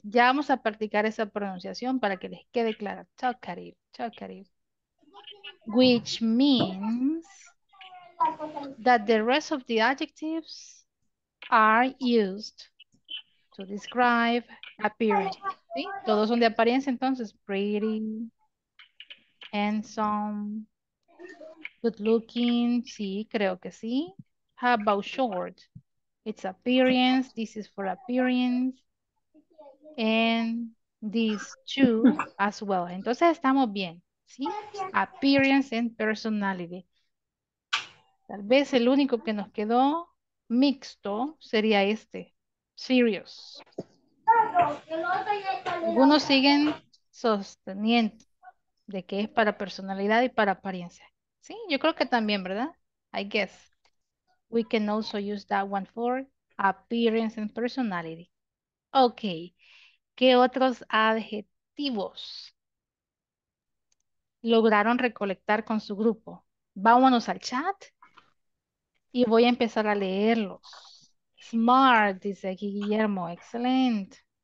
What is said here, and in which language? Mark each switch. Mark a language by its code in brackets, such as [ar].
[es] Ya vamos a practicar esa pronunciación para que les quede clara. Chocarib. Chocarib. [en] Which means that the rest of the adjectives are used to describe appearance. [es] ¿Sí? Todos son de apariencia, entonces. [en] Pretty, handsome, good looking. [es] Sí, creo que sí. [en] How about short? It's appearance. This is for appearance. And these two as well. [es] Entonces estamos bien. ¿Sí? [en] Appearance and personality. [es] Tal vez el único que nos quedó mixto sería este. Serious. Algunos siguen sosteniendo de que es para personalidad y para apariencia. Sí, yo creo que también, ¿verdad? [en] I guess. We can also use that one for appearance and personality. Ok. [es] ¿Qué otros adjetivos lograron recolectar con su grupo? Vámonos al chat y voy a empezar a leerlos. Smart, dice aquí Guillermo. Excelente.